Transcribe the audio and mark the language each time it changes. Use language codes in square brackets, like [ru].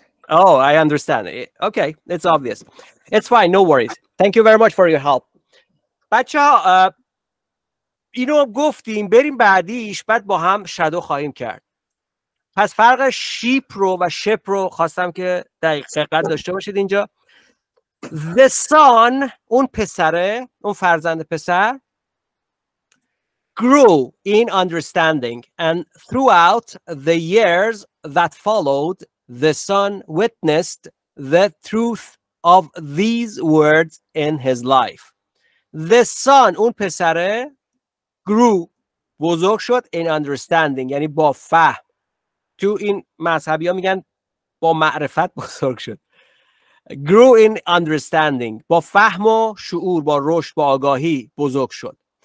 [en] Oh, I understand. Okay, it's obvious. It's fine, no worries. Thank you very much for your help. [fa] بچه ها اینو گفتیم بریم بعدیش بعد با هم شادو خواهیم کرد. پس فرق شیپ رو و شپ رو خواستم که دقیقاً داشته باشید اینجا. [en] The son, [fa] اون پسره، اون فرزند پسر [en] grew in understanding, and throughout the years that followed, the son witnessed the truth of these words in his life. The son, [fa] اون پسره, [en] grew, [fa] بزرگ شد, [en] in understanding, [fa] یعنی با فهم. تو این مذهبی ها میگن با معرفت بزرگ شد. [en] Grew in understanding, [fa] با فهم و شعور, با رشد, با آگاهی بزرگ شد.